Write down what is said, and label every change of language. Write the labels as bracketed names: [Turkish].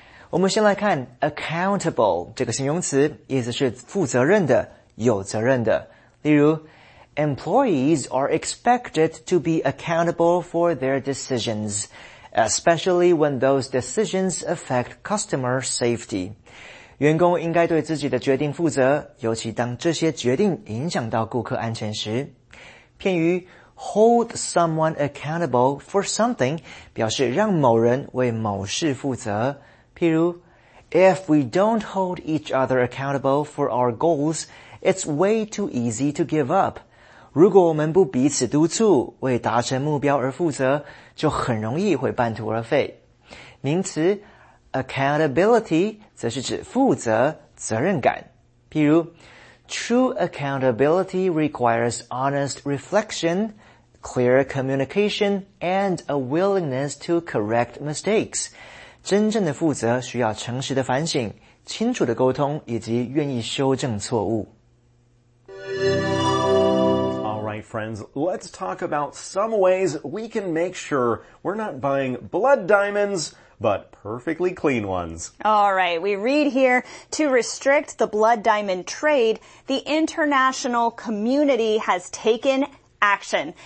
[Chinese] 我们先来看 accountable 这个形容词，意思是负责任的，有责任的。 [English] 例如 ,employees are expected to be accountable for their decisions, especially when those decisions affect customer safety. [Chinese] 员工应该对自己的决定负责，尤其当这些决定影响到顾客安全时。片语 [English] Hold someone accountable for something [Chinese] 表示让某人为某事负责。 [English] 譬如 If we don't hold each other accountable for our goals, it's way too easy to give up. [Chinese] 如果我们不彼此督促为达成目标而负责，就很容易会半途而废。名词 Accountability 则是指负责、责任感。 [English] 譬如 True accountability requires honest reflectionclear communication, and a willingness to correct mistakes. [Chinese] 真正的负责需要诚实的反省，清楚的沟通，以及愿意修正错误。 [English] All right, friends, let's talk about some ways we can make sure we're not buying blood diamonds, but perfectly clean ones. All right, we read here, to restrict the blood diamond trade, the international community has taken action.